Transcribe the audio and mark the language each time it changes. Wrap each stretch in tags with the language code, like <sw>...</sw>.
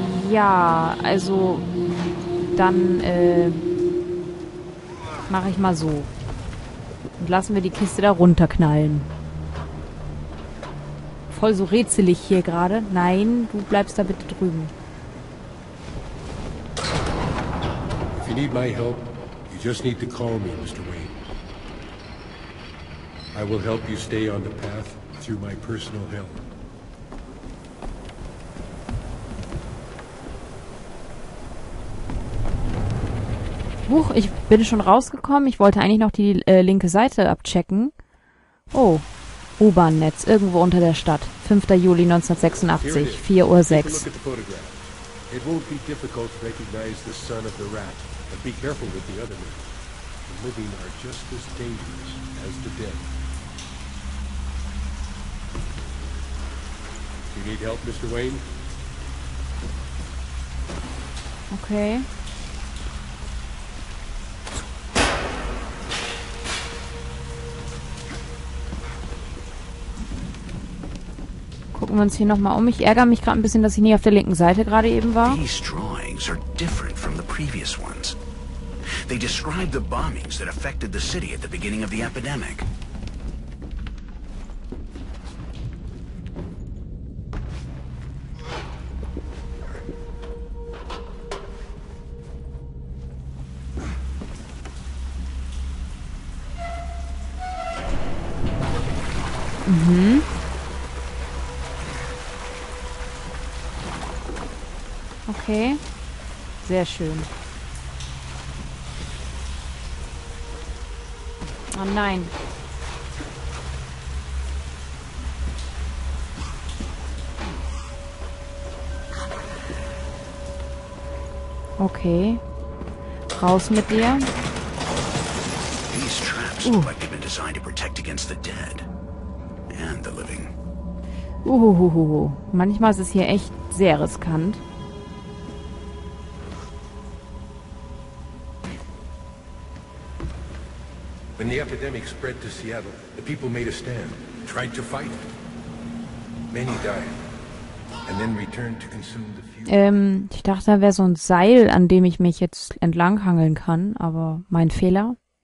<de>Ja, also dann mache ich mal so. Und lassen wir die Kiste da runterknallen. Voll so rätselig hier gerade. Nein, du bleibst da bitte drüben.</de> <en>If you need my help, you just need to call me, Mr. Wayne. I will help you stay on the path through my personal help.</en> <de>Huch, ich bin schon rausgekommen. Ich wollte eigentlich noch die linke Seite abchecken. Oh, U-Bahn-Netz, irgendwo unter der Stadt. 5. Juli 1986, 4.06 Uhr.</de> <en>Take a look at the photograph. It won't be difficult to recognize the son of the rat. But be careful with the other men. The living are just as dangerous as the dead. Do you need help, Mr. Wayne?</en> <de>Okay. Gucken wir uns hier nochmal um. Ich ärgere mich gerade ein bisschen, dass ich nie auf der linken Seite gerade eben war.</de> <en>These drawings are different from the previous ones. They describe the bombings that affected the city at the beginning of the epidemic.</en> <de>Okay, sehr schön. Oh nein. Okay, raus mit dir.</de> <en>These traps look like they've been designed to protect against the dead and the living. Uhuhuhu.</en> <de>Manchmal ist es hier echt sehr riskant.</de> <en>When the epidemic spread to Seattle, the people made a stand, tried to fight. Many died, and then returned to consume the fuel.</en> <de>Ich dachte, da wäre so ein Seil, an dem ich mich jetzt entlanghangeln kann, aber mein Fehler?</de>